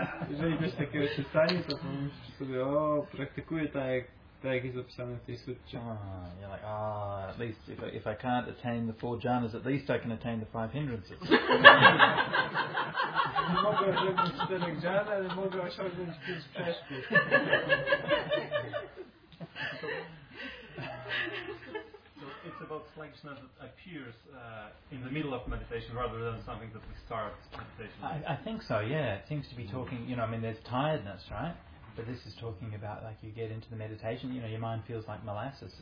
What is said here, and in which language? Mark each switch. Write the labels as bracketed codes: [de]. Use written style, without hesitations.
[pl] Jeżeli coś takiego się stanie, to pomyślisz sobie, o, praktykuję tak, jak jest opisane w tej sutcie. [en] You're like, ah, at least if I can't attain the four jhanas, at least I can attain the five hindrances. [pl] Nie mogę osiągnąć czterech dżan, ale mogę osiągnąć pięć przeszkód. [en] So it's about selection that appears in the middle of meditation rather than something that we start meditation. I think so, yeah. It seems to be talking, you know, I mean, there's tiredness, right? But this is talking about, like, you get into the meditation, you know, your mind feels like molasses.